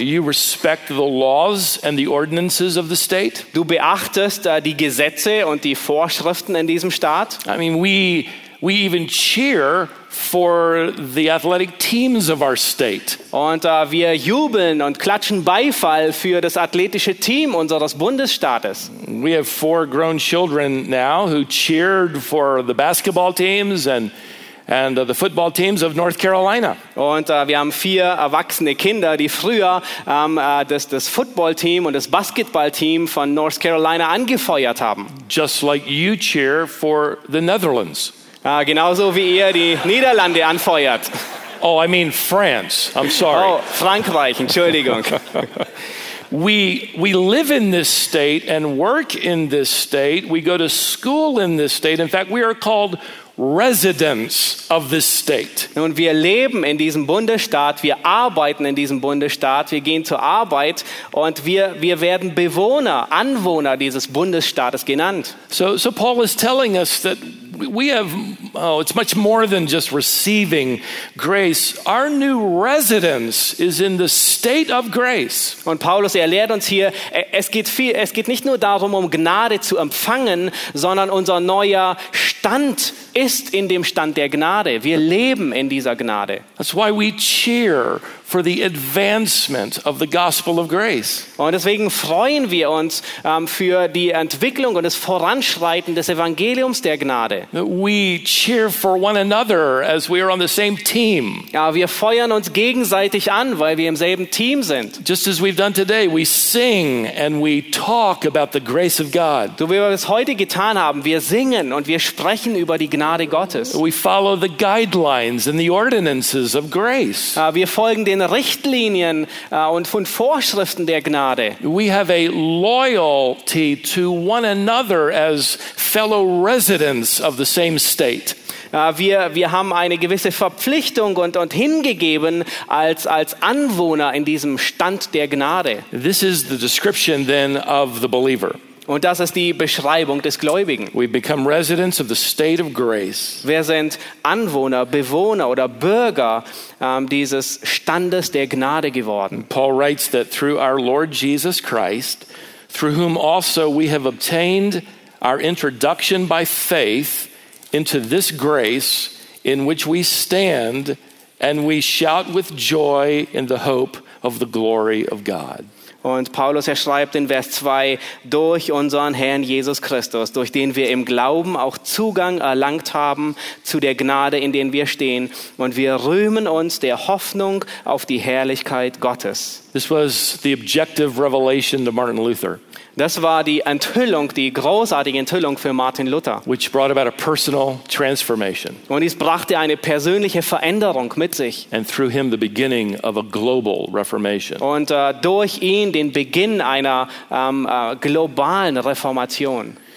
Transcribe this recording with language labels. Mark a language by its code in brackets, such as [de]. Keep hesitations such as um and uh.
[en] You respect the laws and the ordinances of the state. [de] Du beachtest uh, die Gesetze und die Vorschriften in diesem Staat. [en] I mean, we we even for the athletic teams of our state. and uh, we're [de] jubeln and klatschen Beifall für das athletische Team unseres Bundesstaates. [en] We have four grown children now who cheered for the basketball teams and and uh, the football teams of North Carolina. And we have four grown children who [de] die früher um, uh, das, das [en] Football Team and the Basketball Team of North Carolina Just like you cheer for the Netherlands. [de] Uh, ah, genauso wie ihr die Niederlande anfeuert. [en] Oh, I mean France. I'm sorry. [de] Oh, Frankreich, Entschuldigung. [en] we, we live in this state and work in this state. We go to school in this state. In fact, we are called residents of this state. [de] Nun, wir leben in diesem Bundesstaat. Wir arbeiten in diesem Bundesstaat. Wir gehen zur Arbeit. Und wir, wir werden Bewohner, Anwohner dieses Bundesstaates genannt. [en] So, so Paul is telling us that we have, oh, it's much more than just receiving grace. Our new residence is in the state of grace. [de] Und Paulus erlehrt uns hier, es geht, viel, es geht nicht nur darum, um Gnade zu empfangen, sondern unser neuer Stand ist in dem Stand der Gnade. Wir leben in dieser Gnade. [en] That's why we cheer for the advancement of the gospel of grace. And [de] deswegen freuen wir uns um, für die Entwicklung und das Voranschreiten des Evangeliums der Gnade. [en] We cheer for one another as we are on the same team. [de] Ja, wir feuern uns gegenseitig an, weil wir im selben Team sind. [en] Just as we've done today, we sing and we talk about the grace of God. [de] So wie wir es heute getan haben, wir singen und wir sprechen über die Gnade Gottes. [en] We follow the guidelines and the ordinances of grace. [de] Ja, wir folgen den den Richtlinien uh, und von Vorschriften der Gnade. Uh, wir, wir, haben eine gewisse Verpflichtung und, und, hingegeben als, als Anwohner in diesem Stand der Gnade. [en] This is the description then of the [de] Und das ist die Beschreibung des Gläubigen. [en] We become residents of the state of grace. [de] Wir sind Anwohner, Bewohner oder Bürger um, dieses Standes der Gnade geworden. [en] And Paul writes that through our Lord Jesus Christ, through whom also we have obtained our introduction by faith into this grace in which we stand and we shout with joy in the hope of the glory of God. [de] Und Paulus, er schreibt in Vers zwei durch unseren Herrn Jesus Christus, durch den wir im Glauben auch Zugang erlangt haben zu der Gnade, in der wir stehen. Und wir rühmen uns der Hoffnung auf die Herrlichkeit Gottes. [en] This was the objective revelation to Martin Luther. [de] Das war die Enthüllung, die großartige Enthüllung für Martin Luther. [en] Which brought about a personal transformation. And through him the beginning of a global reformation. And through him, the beginning of um, a uh, global Reformation.